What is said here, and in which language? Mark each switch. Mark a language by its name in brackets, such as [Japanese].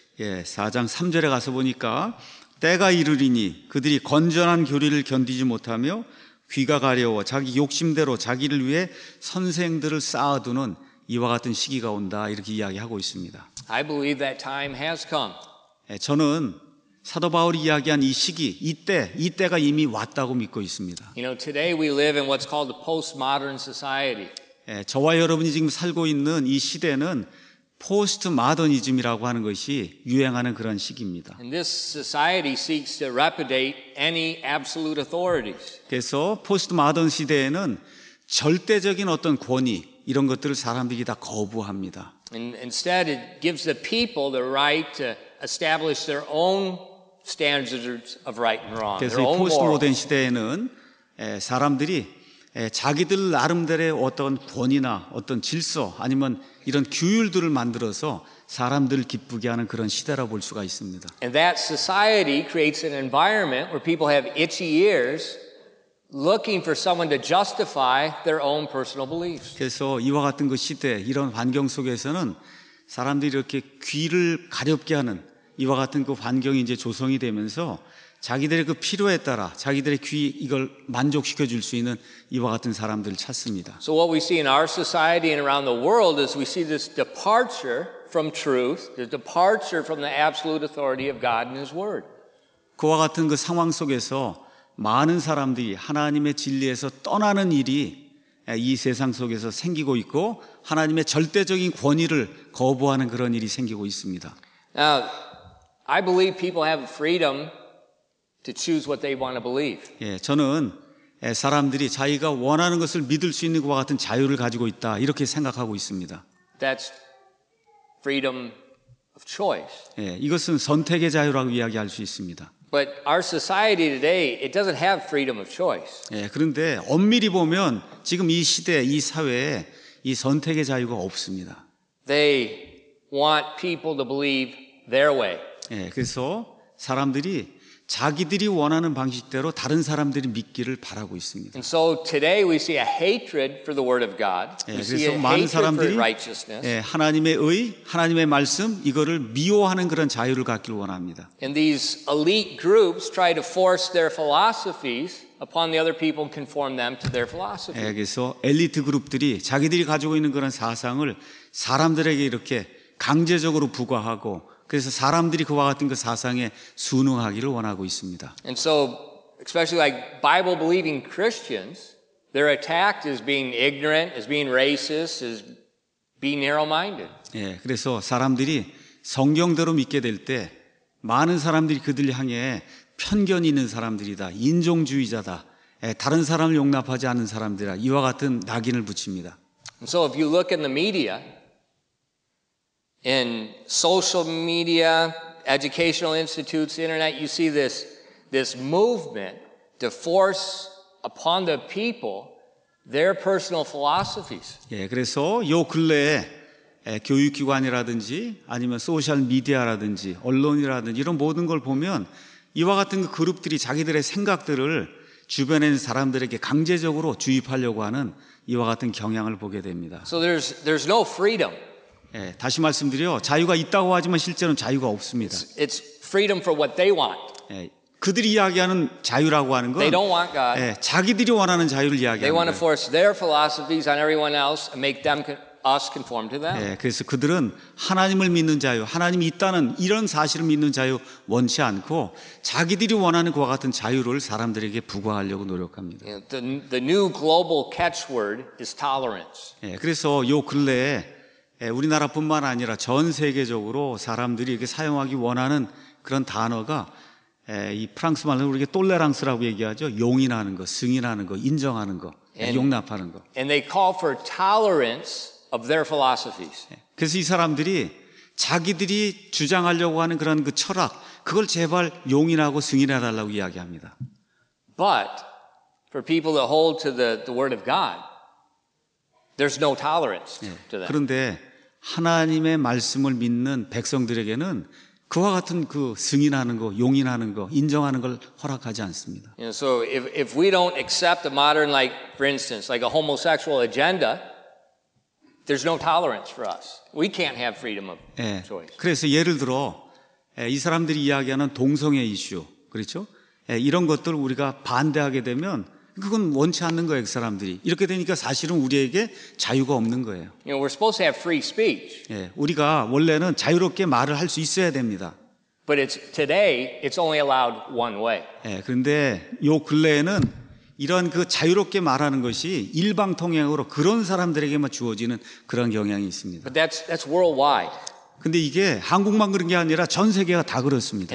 [Korean] 예, 4장 3절에 가서 보니까 때가 이르리니 그들이 건전한 교리를 견디지 못하며 귀가 가려워 자기 욕심대로 자기를 위해 선생들을 쌓아두는 이와 같은 시기가 온다 이렇게 이야기하고 있습니다. [English] I believe that time has come. [Korean] 예, 저는 사도 바울이 이야기한 이 시기, 이때가 이미 왔다고 믿고 있습니다. [English] You know, today we live in what's called the postmodern society. [Korean] 저와 여러분이 지금 살고 있는 이 시대는 포스트 마더니즘이라고 하는 것이 유행하는 그런 시기입니다. [English] And this society seeks to repudiate any absolute authorities. [Korean] 그래서 포스트 마더니 시대에는 절대적인 어떤 권위 이런 것들을 사람들이 다 거부합니다. [English] And instead it gives the people the right to establish their own standards of right and wrong. [Korean] 그래서 포스트 모던 시대에는 사람들이 자기들 나름대로의 어떤 권위나 어떤 질서 아니면 이런 규율들을 만들어서 사람들을 기쁘게 하는 그런 시대라고 볼 수가 있습니다. [English] And that society creates an environment where people have itchy ears looking for someone to justify their own personal beliefs. [Korean] 그래서 이와 같은 그 시대 이런 환경 속에서는 사람들이 이렇게 귀를 가렵게 하는 이와 같은 그 환경이 이제 조성이 되면서 자기들의 그 필요에 따라 자기들의 귀 이걸 만족시켜 줄 수 있는 이와 같은 사람들을 찾습니다. [English] So what we see in our society and around the world is we see this departure from truth, the departure from the absolute authority of God and His Word. [Korean] 그와 같은 그 상황 속에서 많은 사람들이 하나님의 진리에서 떠나는 일이 이 세상 속에서 생기고 있고 하나님의 절대적인 권위를 거부하는 그런 일이 생기고 있습니다. [English] Now, I believe people have freedom to choose what they want to believe. [Korean] 예, 저는 사람들이 자기가 원하는 것을 믿을 수 있는 것과 같은 자유를 가지고 있다 이렇게 생각하고 있습니다. [English] That's freedom of choice. [Korean] 예, 이것은 선택의 자유라고 이야기할 수 있습니다. [English] But our society today, it doesn't have freedom of choice. [Korean] 예, 그런데 엄밀히 보면 지금 이 시대, 이 사회에 이 선택의 자유가 없습니다. [English] They want people to believe their way. [Korean] 예, 그래서 사람들이 자기들이 원하는 방식대로 다른 사람들이 믿기를 바라고 있습니다. [English] And so today we see a hatred for the word of God. [Korean] 예, 그래서 많은 사람들이 하나님의 의, 하나님의 말씀 이거를 미워하는 그런 자유를 갖기를 원합니다. [English] And these elite groups try to force their philosophies upon the other people and conform them to their philosophy. [Korean] 예, 그래서 엘리트 그룹들이 자기들이 가지고 있는 그런 사상을 사람들에게 이렇게 강제적으로 부과하고 그래서 사람들이 그와 같은 그 사상에 순응하기를 원하고 있습니다. [English] And so, especially like Bible believing Christians, they're attacked as being ignorant, as being racist, as being narrow-minded. [Korean] 예, 그래서 사람들이 성경대로 믿게 될 때 많은 사람들이 그들 향해 편견이 있는 사람들이다, 인종주의자다, 다른 사람을 용납하지 않는 사람들이라 이와 같은 낙인을 붙입니다. [English] And so if you look in the media, in social media, educational institutes, internet, you see this movement to force upon the people their personal philosophies. [Korean] 예, 그래서 요 근래에 교육기관이라든지 아니면 소셜 미디어라든지 언론이라든지 이런 모든 걸 보면 이와 같은 그 그룹들이 자기들의 생각들을 주변에 있는 사람들에게 강제적으로 주입하려고 하는 이와 같은 경향을 보게 됩니다. [English] So there's no freedom. [Korean] 예, 다시 말씀드려 자유가 있다고 하지만 실제로는 자유가 없습니다. [English] It's freedom for what they want. [Korean] 예, 그들이 이야기하는 자유라고 하는 건 [English] They don't want God. [Korean] 예, 자기들이 원하는 자유를 이야기하는 [English] They want to force their philosophies on everyone else and make them us conform to them. [Korean] 예, 그래서 그들은 하나님을 믿는 자유, 하나님이 있다는 이런 사실을 믿는 자유 원치 않고 자기들이 원하는 그와 같은 자유를 사람들에게 부과하려고 노력합니다. [English] The new global catchword is tolerance. [Korean] 예, 그래서 요 근래에 우리나라뿐만 아니라 전 세계적으로 사람들이 이렇게 사용하기 원하는 그런 단어가 이 프랑스 말로 우리가 똘레랑스라고 얘기하죠. 용인하는 거, 승인하는 거, 인정하는 거, [English] and, [Korean] 용납하는 거. [English] And they call for tolerance of their philosophies. [Korean] 그래서 이 사람들이 자기들이 주장하려고 하는 그런 그 철학, 그걸 제발 용인하고 승인해 달라고 이야기합니다. [English] But for people that hold to the word of God, There's no tolerance to that. [Korean] 그런데 하나님의 말씀을 믿는 백성들에게는 그와 같은 그 승인하는 거, 용인하는 거, 인정하는 걸 허락하지 않습니다. [English] You know, so if we don't accept a modern, like for instance, like a homosexual agenda, there's no tolerance for us. We can't have freedom of choice. [Korean] 예, 그래서 예를 들어 이 사람들이 이야기하는 동성애 이슈, 그렇죠? 이런 것들 우리가 반대하게 되면. 그건 원치 않는 거예요, 그 사람들이. 이렇게 되니까 사실은 우리에게 자유가 없는 거예요. [English] You know, we're supposed to have free speech. [Korean] 예, 우리가 원래는 자유롭게 말을 할 수 있어야 됩니다. [English] But it's today it's only allowed one way. [Korean] 예, 그런데 요 근래에는 이런 그 자유롭게 말하는 것이 일방통행으로 그런 사람들에게만 주어지는 그런 경향이 있습니다. [English] But that's worldwide. [Korean] 근데 이게 한국만 그런 게 아니라 전 세계가 다 그렇습니다.